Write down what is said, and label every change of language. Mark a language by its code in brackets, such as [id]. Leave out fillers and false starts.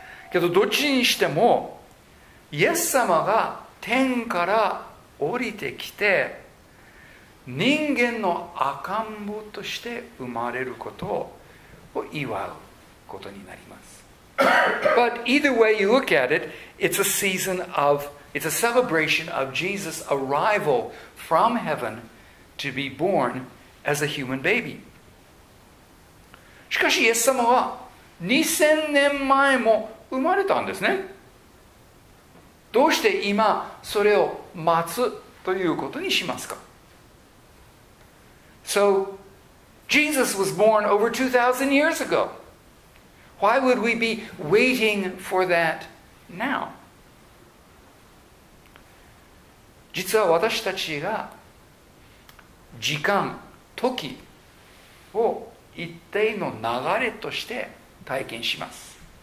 [ja] けどどっちにしても、イエス様が天から降りてきて、人間の赤ん坊として生まれることを祝うことになります。 [en] But either way you look at it, it's a celebration of Jesus' arrival from heaven to be born as a human baby. [ja] しかしイエス様は2000年前も生まれたんですね。どうして今それを待つということにしますか? [en] So, Jesus was born over 2,000 years ago. Why would we be waiting for that now? [ja] 実は私たちが時間、時を一定の流れとして体験します。